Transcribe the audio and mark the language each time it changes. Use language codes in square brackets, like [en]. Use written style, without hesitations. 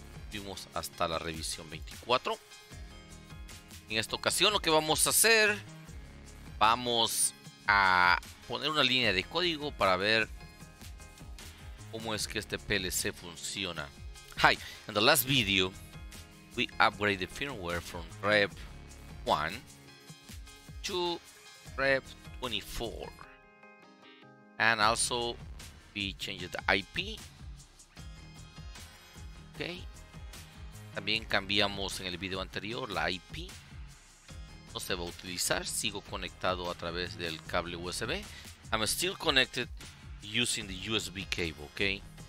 [es] Fuimos hasta la revisión 24. En esta ocasión lo que vamos a hacer, vamos a poner una línea de código para ver cómo es que este PLC funciona. [en] Hi, in the last video, we upgraded the firmware from Rev 1 to Rev 24. And also, we changed the IP. Okay. [es] También cambiamos en el video anterior la IP. No se va a utilizar. Sigo conectado a través del cable USB. [en] I'm still connected using the USB cable, okay?